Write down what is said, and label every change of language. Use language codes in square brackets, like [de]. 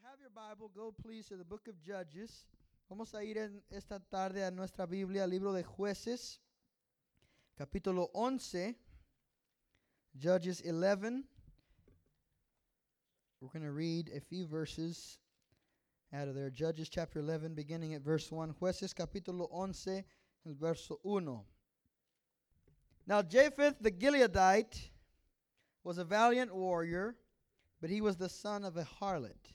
[en] your Bible, go please to the book of Judges. [es] Vamos a ir en esta tarde a nuestra Biblia, libro de Jueces, capítulo 11, [en] Judges 11. We're going to read a few verses out of there. Judges chapter 11, beginning at verse 1. [es] Jueces capítulo 11, el verso 1. [en] Now Japheth the Gileadite was a valiant warrior, but he was the son of a harlot.